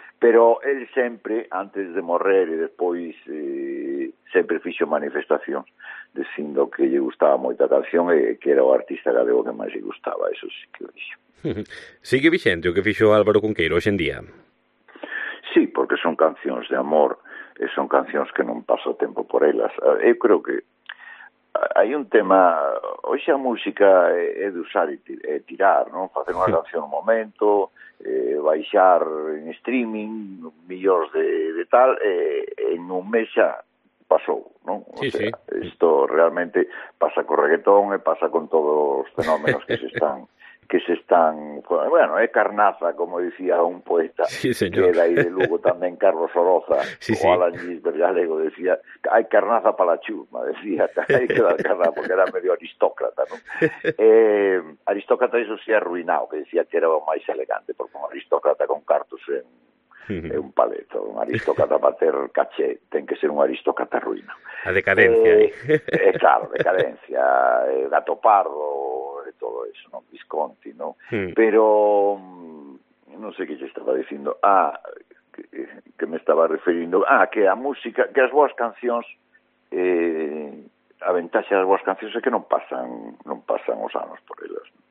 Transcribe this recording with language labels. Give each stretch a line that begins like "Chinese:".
Galician: Pero él sempre, antes de morrer e despois, sempre fixo manifestacións dicindo que lle gustaba moita canción e que era o artista galego que máis lle gustaba. Eso sí que o dixo. Sigue vixente o que fixo Álvaro Cunqueiro hoxe en día? Sí, porque son cancións de amor e son cancións que non paso tempo por elas. Eu creo que hai un tema, hoxe a música é de usar e tirar, non? Facer unha canción no momento, baixar en streaming, millóns de tal, en un mes xa pasou, non? Sí. Isto realmente pasa co reggaetón e pasa con todos os fenómenos que se están... Bueno, é carnaza, como dicía un poeta, sí, que era aí de Lugo tamén, Carlos Oroza, sí, o Alan Gisbert galego, decía, hai carnaza para a chusma, decía, hai que dar carnaza, porque era medio aristócrata, non? Aristócrata, iso se arruinado, que decía que era o máis elegante, porque un aristócrata con cartos é un paleto, un aristócrata para ter caché, ten que ser un aristócrata ruino. A decadencia,
Spanish: Claro, decadencia, Gato Pardo, todo eso, ¿no? Visconti, ¿no? Sí. Pero no sé qué yo estaba diciendo. Ah, que me estaba refiriendo.
Galician: Ah, que a música, que as boas cancións, a ventaxe das boas cancións é que non pasan os anos por elas.